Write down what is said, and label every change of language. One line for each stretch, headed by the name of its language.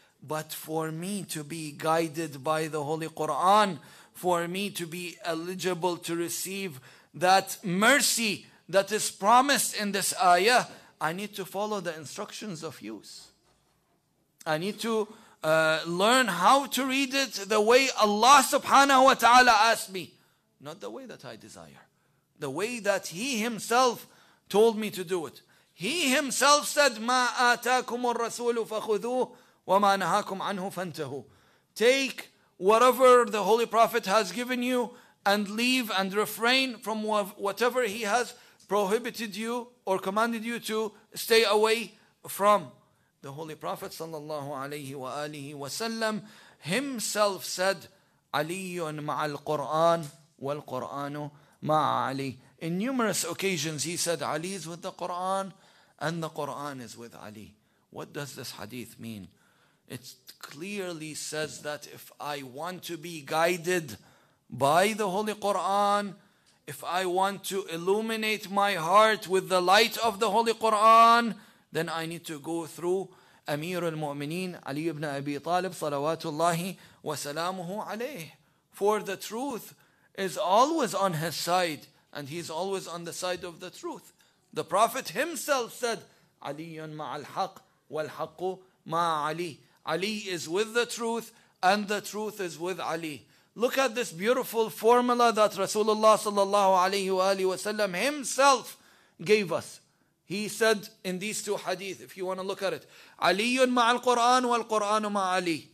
English: But for me to be guided by the Holy Quran, for me to be eligible to receive that mercy that is promised in this ayah, I need to follow the instructions of use. I need to learn how to read it the way Allah subhanahu wa ta'ala asked me, not the way that I desire, the way that He Himself told me to do it. He Himself said,
Arabic: مَا آتَاكُمُ الرَّسُولُ فَخُذُوهُ وَمَا نَهَاكُمْ عَنْهُ فَانْتَهُ.
English: Take whatever the Holy Prophet has given you and leave and refrain from whatever he has prohibited you or commanded you to stay away from. The Holy Prophet
Arabic: sallallahu alayhi wa alihi wa sallam
English: himself said,
Arabic: عَلِيٌ مَعَ الْقُرْآنِ وَالْقُرْآنُ مَعَ عَلِي.
English: In numerous occasions he said, Ali is with the Quran and the Quran is with Ali. What does this hadith mean? It clearly says that if I want to be guided by the Holy Quran, if I want to illuminate my heart with the light of the Holy Quran, then I need to go through Amir al-Mu'mineen Ali ibn Abi Talib salawatullahi wa salamuhu alayh. For the truth is always on his side, and he's always on the side of the truth. The Prophet himself said,
Arabic: عَلِيٌ مَعَ الْحَقِّ وَالْحَقُّ مَعَ عَلِي.
English: Ali is with the truth, and the truth is with Ali. Look at this beautiful formula that Rasulullah sallallahu alayhi wa alihi wa sallam himself gave us. He said in these two hadith, if you want to look at it,
Arabic: عَلِيٌ مَعَ الْقُرْآنُ وَالْقُرْآنُ مَعَ عَلِي.